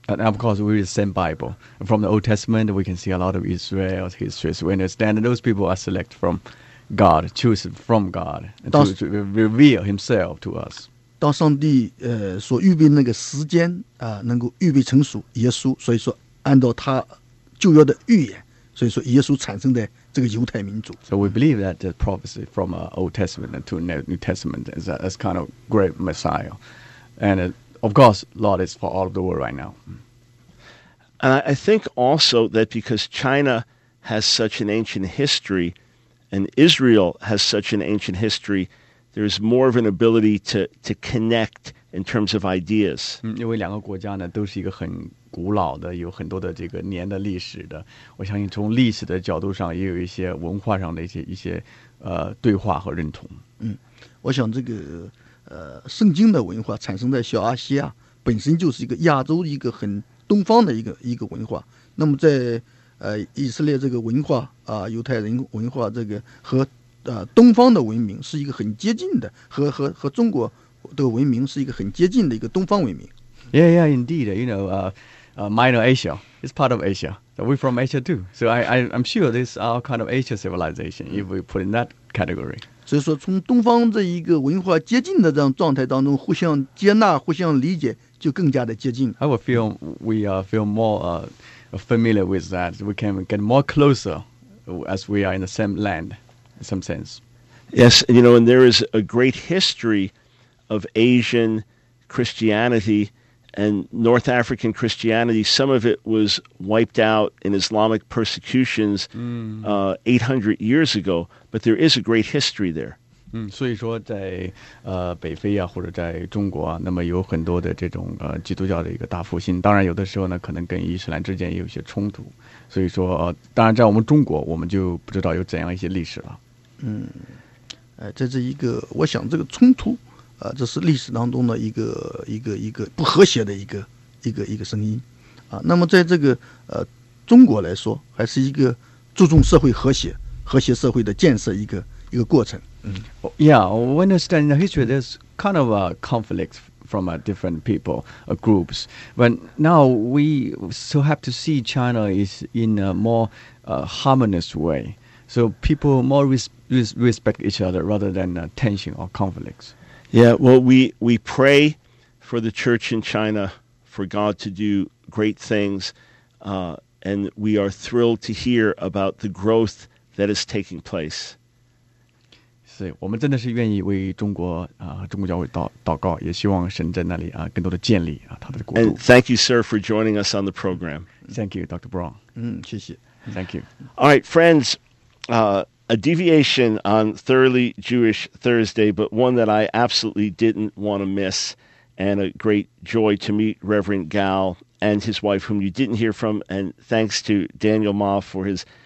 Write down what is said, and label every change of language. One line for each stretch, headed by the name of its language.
English: And of course, we read the same Bible. From the Old Testament, we can see a lot of Israel's history. So we understand that those people are selected from God, chosen from God, and to reveal himself to us.
Chinese: 当上帝所预备那个时间能够预备成熟耶稣，所以说按照他旧约的预言，所以说耶稣产生的这个犹太民族。
English: So we believe that the prophecy from Old Testament to New Testament is a kind of great Messiah. Of course, Lord is for all of the world right now. And I think also that because China has such an ancient history and Israel has such an ancient history, there's more of an ability to connect in terms of ideas.
Chinese: 因为两个国家呢都是一个很古老的有很多的这个年的历史的，我相信从历史的角度上也有一些文化上的一些对话和认同。我想这个圣经的文化产生在小亚细亚，本身就是一个亚洲一个很东方的一个文化。那么在以色列这个文化犹太人文化这个和东方的文明是一个很接近的，和中国的文明是一个很接近的一个东方文明。
English: Yeah, indeed. You know, Minor Asia is part of Asia. We're from Asia too. So I'm sure this our kind of Asia civilization if we put in that category.
Chinese: 所以说从东方这一个文化接近的这样状态当中互相接纳互相理解就更加的接近。
English: I would feel we feel more familiar with that. We can get more closer as we are in the same land in some sense. Yes, you know, and there is a great history of Asian Christianity and North African Christianity. Some of it was wiped out in Islamic persecutions 800 years ago. But there is a great history there.
Chinese: 所以说在北非啊或者在中国啊，那么有很多的这种基督教的一个大复兴，当然有的时候呢可能跟伊斯兰之间也有些冲突，所以说当然在我们中国我们就不知道有怎样一些历史了。这是一个我想这个冲突这是历史当中的一个不和谐的一个声音那么在这个中国来说还是一个注重社会和谐和谐社会的建设一个过程。
English: Yeah, we understand in the history there's kind of a conflict from a different people, groups. But now we so have to see China is in a more harmonious way. So people more respect each other rather than tension or conflicts. Yeah, well, we pray for the church in China, for God to do great things. And we are thrilled to hear about the growthThat is taking place.
Chinese: 是，我们真的是愿意为中国中国教会祷告，也希望神在那里更多的建立他的国度。
English: And thank you, sir, for joining us on the program. Thank you, Dr. Brown.
Chinese: 谢谢。
English: Thank you. All right, friends, a deviation on Thoroughly Jewish Thursday, but one that I absolutely didn't want to miss, and a great joy to meet Reverend Gal and his wife, whom you didn't hear from, and thanks to Daniel Ma for his.